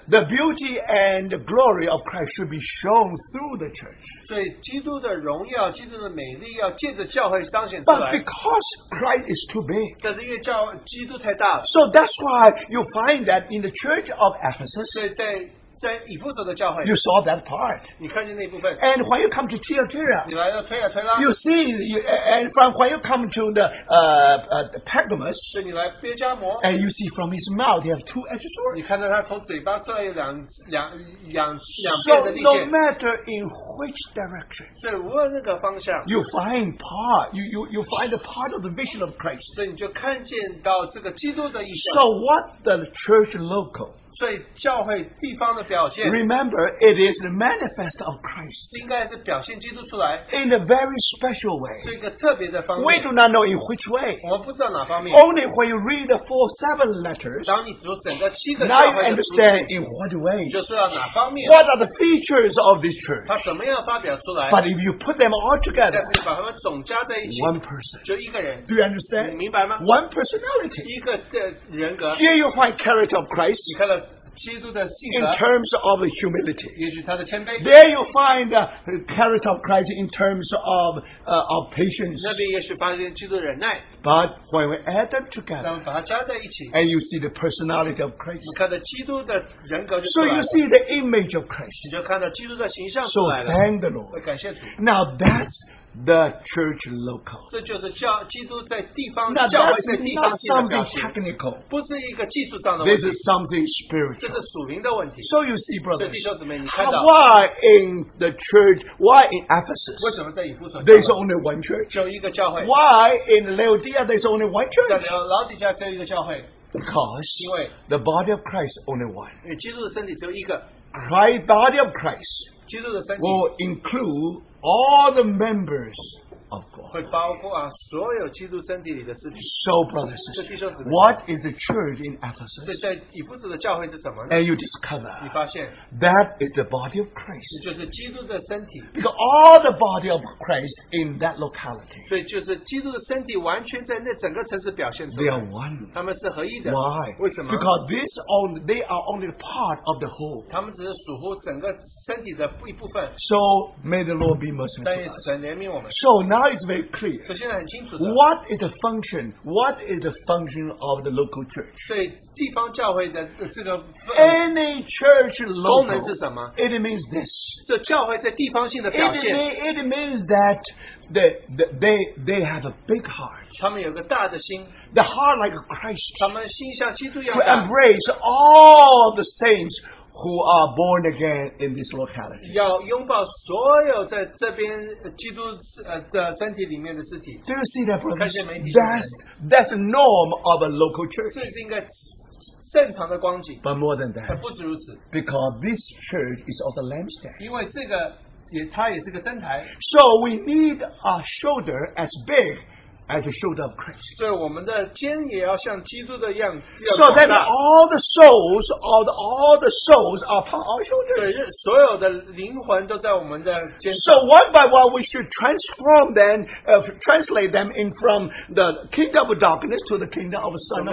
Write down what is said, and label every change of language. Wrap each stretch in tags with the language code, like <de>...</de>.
<en>The beauty and the glory of Christ should be shown through the church.</en> <zh>所以基督的荣耀、基督的美丽要借着教会彰显出来。</zh> <en>But because Christ is too big,</en> <zh>但是因为教基督太大了。</zh> <en>So that's why you find that in the Church of Ephesus.</en> <zh>所以在在以弗所的教会,</zh> <en>you saw that part.</en> <zh>你看见那部分。</zh> <en>And when you come to Thyatira,</en> <zh>你来到推亚推拉,</zh> <en>you see, and from when you come to the Pergamos,</en> <zh>所以你来别加摩,</zh> <en>and you see from his mouth, he has two edged swords.</en> <zh>你看到他从嘴巴出来有两边的利剑。</zh> <en>So no matter in which direction,</en> <zh>所以无论任何方向,</zh> <en>you find a part of the vision of Christ.</en> <zh>所以你就看见到这个基督的意象。</zh> <en>So what the church local?</en> <zh>所以教会地方的表现</zh> <en>Remember, it is the manifest of Christ.</en> <zh>应该是表现基督出来</zh> <en>In a very special way.</en> <zh>是一个特别的方面</zh> <en>We do not know in which way.</en> <zh>我们不知道哪方面</zh> <en>Only when you read the four seven letters,</en> <zh>当你读整个七个教会的书</zh> <en>Now you understand in what way.</en> <zh>就知道哪方面</zh> <en>What are the features of this church?</en> <zh>它怎么样发表出来</zh> <en>But if you put them all together,</en> <zh>但是把它们总加在一起</zh> <en>One person.</en> <zh>就一个人</zh> <en>Do you understand?</en> <zh>明白吗</zh> <en>One personality.</en> <zh>一个人格</zh> <en>Here you find character of Christ.</en> <zh>你看到基督的性格</zh> <en>in terms of humility,</en> <zh>也许他的谦卑</zh> <en>There you find the character of Christ in terms of patience.</en> <zh>那边也许发现基督的忍耐</zh> <en>But when we add them together,</en> <zh>那么把它加在一起</zh> <en>and you see the personality of Christ.</en> <zh>你看到基督的人格就出来了</zh> <en>So you see the image of Christ.</en> <zh>你就看到基督的形象出来了</zh> <en>So thank the Lord.</en> <zh>感谢主</zh> <en>Now that's the church local.</en> <zh>这就是教基督在地方教会在地方性的表现。</zh> <en>Not something technical.</en> <zh>不是一个技术上的问题。</zh> <en>This is something spiritual.</en> <zh>这是属灵的问题。</zh> <en>So you see, brothers.</en> <zh>弟兄姊妹，你看到。</zh> <en>Why in the church? Why in Ephesus?</en> <zh>为什么在以弗所？</zh> <en>There's only one church.</en> <zh>只有一个教会。</zh> <en>Why in Laodicea? There's only one church.</en> <zh>在老底家只有一个教会。</zh> <en>Because</en> <zh>因为</zh> <en>the body of Christ only one.</en> <zh>因为基督的身体只有一个。</zh> <en>Christ body of Christ.</en> <zh>基督的身体</zh> <en>will include. All the members of God.</en> <zh>会包括啊所有基督身体里的肢体。</zh> <en>So brothers,</en> <zh>这弟兄姊妹</zh> <en>what is the church in Ephesus?</en> <zh>对，在以弗所的教会是什么呢？</zh> <en>And you discover,</en> <zh>你发现</zh> <en>that is the body of Christ.</en> <zh>就是基督的身体。</zh> <en>Because all the body of Christ in that locality.</en> <zh>对，就是基督的身体完全在那整个城市表现出来。</zh> <en>They are one.</en> <zh>他们是合一的。</zh> <en>Why?</en> <zh>为什么？</zh> <en>Because they are only part of the whole.</en> <zh>他们只是属乎整个身体的一部分。</zh> <en>So may the Lord be merciful.</en> <zh>但愿神怜悯我们。</zh> <en>So now it's very clear.</en> <zh>所以现在很清楚的。</zh> <en>What is the function? What is the function of the local church?</en> <zh>对地方教会的这个</zh> <en>any church local</en> <zh>功能是什么？</zh> <en>It means this.</en> <zh>这教会在地方性的表现。</zh> <en>It means that they have a big heart.</en> <zh>他们有个大的心。</zh> <en>The heart like Christ.</en> <zh>他们心像基督一样。</zh> <en>To embrace all the saints. Who are born again in this locality?</en> <zh>要拥抱所有在这边基督的身体里面的肢体。</zh> <en>Do you see that, brothers?</en> <zh>看见没？</zh> <en>That's the norm of a local church.</en> <zh>这是应该正常的光景。</zh> <en>But more than that,</en> <zh>不止如此。</zh> <en>Because this church is also lampstand.</en> <zh>因为这个也它也是个灯台。</zh> <en>So we need a shoulder as big. As the shoulder of Christ.</en> <zh>对我们的肩也要像基督的样子。</zh> <en>So that all the souls of all the souls are upon our shoulders.</en> <zh>对，所有的灵魂都在我们的肩上。</zh> <en>So one by one, we should transform them, translate them in from the kingdom of darkness to the kingdom of the Son of God.</en>